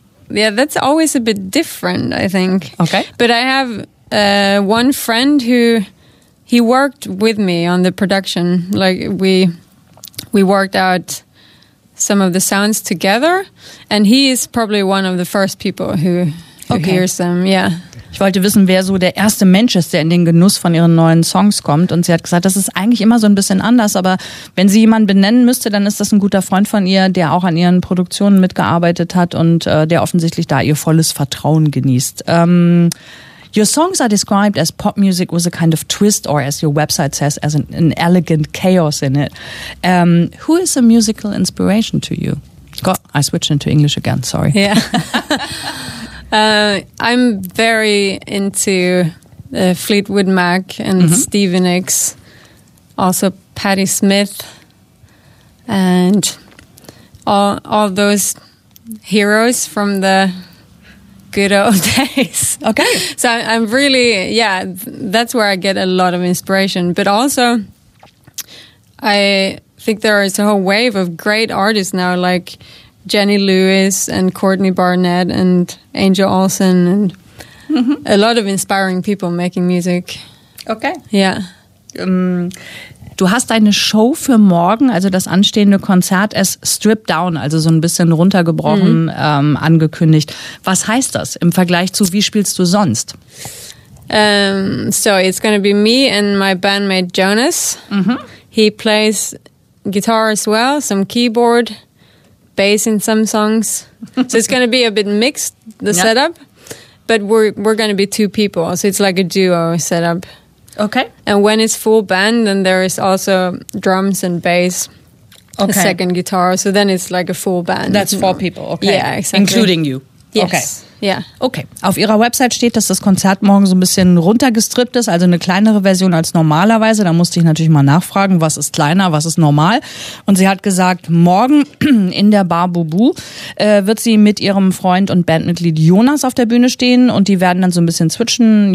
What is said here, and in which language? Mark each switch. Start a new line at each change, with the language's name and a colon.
English: Yeah, that's always a bit different, I think. Okay. But I have one friend who he worked with me on the production. Like we worked out some of the sounds together, and he is probably one of the first people who okay, hears them. Yeah.
German: Ich wollte wissen, wer so der erste Mensch ist, der in den Genuss von ihren neuen Songs kommt. Und sie hat gesagt, das ist eigentlich immer so ein bisschen anders. Aber wenn sie jemanden benennen müsste, dann ist das ein guter Freund von ihr, der auch an ihren Produktionen mitgearbeitet hat und der offensichtlich da ihr volles Vertrauen genießt.
English: Your songs are described as pop music with a kind of twist or, as your website says, as an elegant chaos in it. Who is a musical inspiration to you? God, I switched into English again, sorry. Yeah. I'm very into Fleetwood Mac and mm-hmm, Stevie Nicks, also Patti Smith, and all those heroes from the good old days. Okay. So I'm really, yeah, that's where I get a lot of inspiration. But also, I think there is a whole wave of great artists now, like Jenny Lewis and Courtney Barnett and Angel Olsen and mm-hmm, a lot of inspiring people making music. Okay. Yeah.
German: Du hast deine Show für morgen, also das anstehende Konzert, es
English: stripped down,
German: also so ein bisschen runtergebrochen, mm-hmm, angekündigt. Was heißt das im Vergleich zu wie spielst du sonst?
English: So it's going to be me and my bandmate Jonas. Mm-hmm. He plays guitar as well, some keyboard, bass in some songs, so it's going to be a bit mixed, the yeah, setup, but we're going to be two people, so it's like a duo setup. Okay. And when it's full band, then there is also drums and bass, okay, a second guitar, so then it's like a full band. That's four people, okay. Yeah, exactly. Including you. Yes. Okay. Ja. Yeah. Okay.
German: Auf ihrer Website steht, dass das Konzert morgen so ein bisschen runtergestrippt ist, also eine kleinere Version als normalerweise. Da musste ich natürlich mal nachfragen, was ist kleiner, was ist normal. Und sie hat gesagt, morgen in der Bar Bubu wird sie mit ihrem Freund und Bandmitglied Jonas auf der Bühne stehen und die werden dann so ein bisschen switchen.